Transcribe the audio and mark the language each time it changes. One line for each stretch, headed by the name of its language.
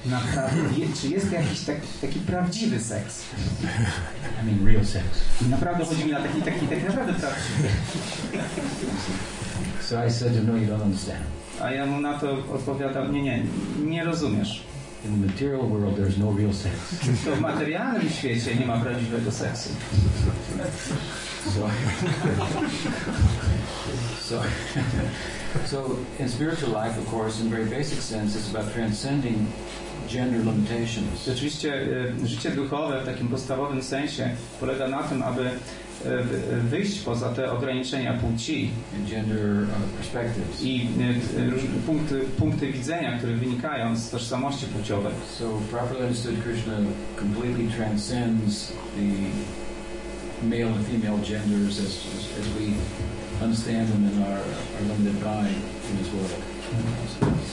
Polish: Naprawdę, czy jest jakiś taki prawdziwy seks?
English: I mean real sex.
Polish: Naprawdę chodzi mi na taki naprawdę prawdziwy.
English: So I said, no, you don't understand.
Polish: A ja mu na to odpowiadam, nie rozumiesz.
English: In the material world, there's no real sex.
Polish: To w materialnym świecie nie ma prawdziwego seksu.
English: So in spiritual life, of course, in very basic sense, it's about transcending gender limitations.
Polish: Oczywiście życie duchowe w takim podstawowym sensie polega na tym, aby wyjść poza te ograniczenia płci
English: and gender perspectives.
Polish: I różne punkty widzenia, które wynikają z tożsamości płciowej.
English: So properly understood, Krishna completely transcends the male and female genders as we understand them and are limited by in this world.